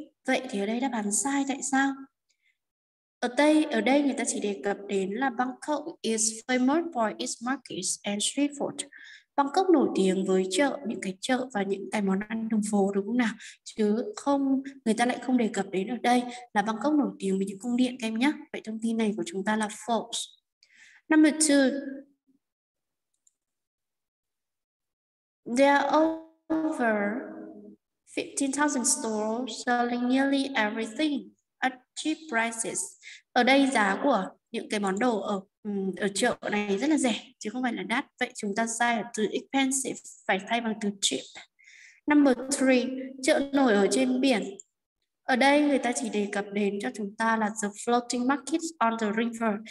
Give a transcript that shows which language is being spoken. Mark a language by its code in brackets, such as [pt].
[vi] Vậy thì ở đây đáp án sai, tại sao? Ở đây người ta chỉ đề cập đến là [en] Bangkok is famous for its markets and street food. [vi] Bangkok nổi tiếng với chợ, những cái chợ và những cái món ăn đường phố đúng không nào? Chứ không, người ta lại không đề cập đến ở đây là Bangkok nổi tiếng với những cung điện các em nhé. Vậy thông tin này của chúng ta là false. [en] Number 2. There are over 15,000 stores selling nearly everything at cheap prices. [vi] Ở đây giá của những cái món đồ ở chợ này rất là rẻ, chứ không phải là đắt. Vậy chúng ta sai ở từ expensive, phải thay bằng từ cheap. [en] Number 3, [vi] chợ nổi ở trên biển. Ở đây người ta chỉ đề cập đến cho chúng ta là [en] the floating market on the river.